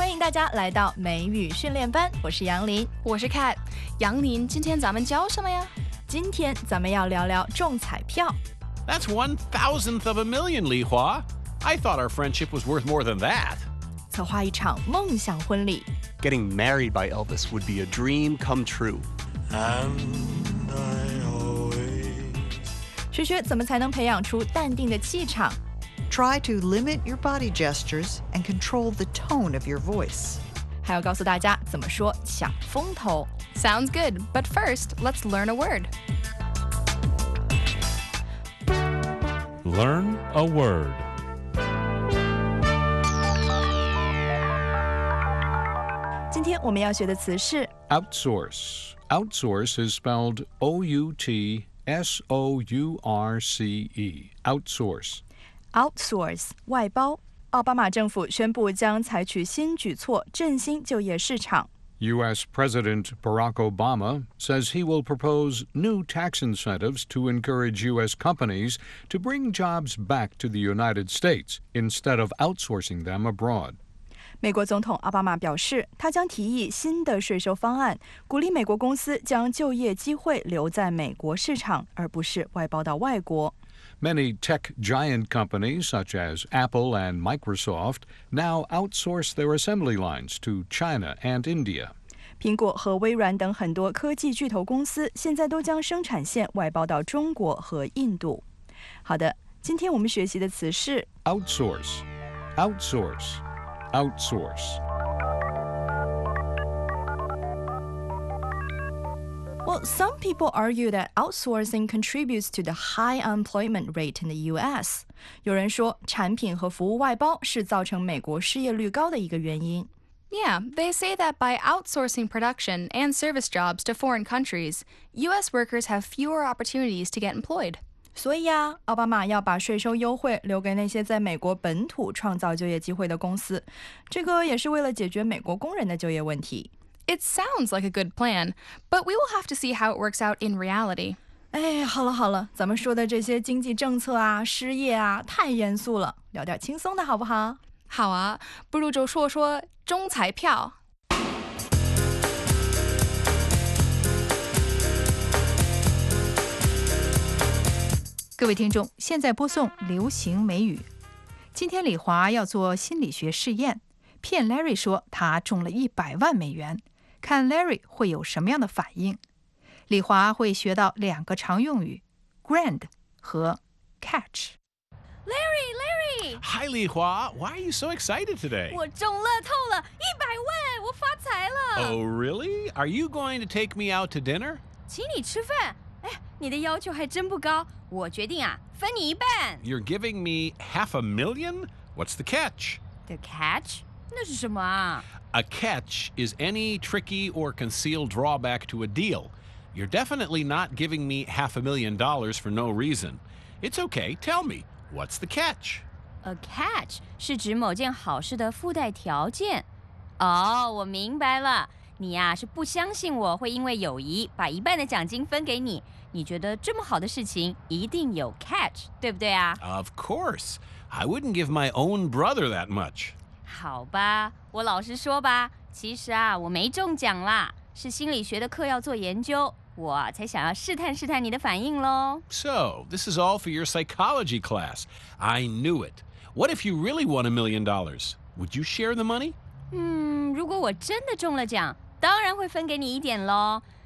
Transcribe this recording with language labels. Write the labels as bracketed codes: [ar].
[zh] 家来到美语训练班，我是杨林，我是 Cat。杨林，今天咱们教什么呀？今天咱们要聊聊中彩票。 [en] That's 1/1000th of a million, Li Hua. I thought our friendship was worth more than that. [zh] 策划一场梦想婚礼。 [en] Getting married by Elvis would be a dream come true. And I always... [zh] 学学怎么才能培养出淡定的气场。 [en] Try to limit your body gestures and control the tone of your voice. [zh] 还要告诉大家怎么说抢风头。 [en] Sounds good, but first, let's learn a word. Learn a word. [zh] 今天我们要学的词是 [en] Outsource. Outsource is spelled O-U-T-S-O-U-R-C-E. Outsource. [zh] Outsource, 外包。奥巴马政府宣布将采取新举措振兴就业市场。 [en] U.S. President Barack Obama says he will propose new tax incentives to encourage U.S. companies to bring jobs back to the United States instead of outsourcing them abroad. [zh] 美国总统奥巴马表示，他将提议新的税收方案，鼓励美国公司将就业机会留在美国市场，而不是外包到外国。 [en] Many tech giant companies, such as Apple and Microsoft, now outsource their assembly lines to China and India. [zh] 苹果和微软等很多科技巨头公司现在都将生产线外包到中国和印度。好的，今天我们学习的词是 [en] outsource, outsource, outsource. Well, some people argue that outsourcing contributes to the high unemployment rate in the U.S. [zh] 有人说产品和服务外包是造成美国失业率高的一个原因。 [en] Yeah, they say that by outsourcing production and service jobs to foreign countries, U.S. workers have fewer opportunities to get employed. [zh] 所以啊，奥巴马要把税收优惠留给那些在美国本土创造就业机会的公司，这个也是为了解决美国工人的就业问题。 [en] It sounds like a good plan, but we will have to see how it works out in reality. [zh] 哎，好了好了，咱们说的这些经济政策啊，失业啊，太严肃了，聊点轻松的好不好？好啊，不如就说说中彩票。各位听众，现在播送流行美语。今天李华要做心理学试验，骗 Larry 说他中了$100,000。看 Larry 会有什么样的反应。李华会学到两个常用语 grand 和 catch。 [en] Larry, Larry! Hi, 李华 Why are you so excited today? [zh] 我中乐透了100万，我发财了。 [en] Oh, really? Are you going to take me out to dinner? [zh] 请你吃饭。哎，你的要求还真不高，我决定啊，分你一半。 [en] You're giving me $500,000? What's the catch? The catch? [zh] 那是什么啊? [en] A catch is any tricky or concealed drawback to a deal. You're definitely not giving me $500,000 for no reason. It's okay, tell me, what's the catch? [zh] A catch 是指某件好事的附带条件。 Oh, 我明白了。你啊，是不相信我会因为友谊把一半的奖金分给你。你觉得这么好的事情一定有 catch, 对不对啊? [en] Of course. I wouldn't give my own brother that much. [zh] 好吧，我老实说吧，其实啊，我没中奖啦，是心理学的课要做研究，我才想要试探试探你的反应咯。 [en] So, this is all for your psychology class. I knew it. What if you really won $1,000,000? Would you share the money? [zh] 如果我真的中了奖，当然会分给你一点咯。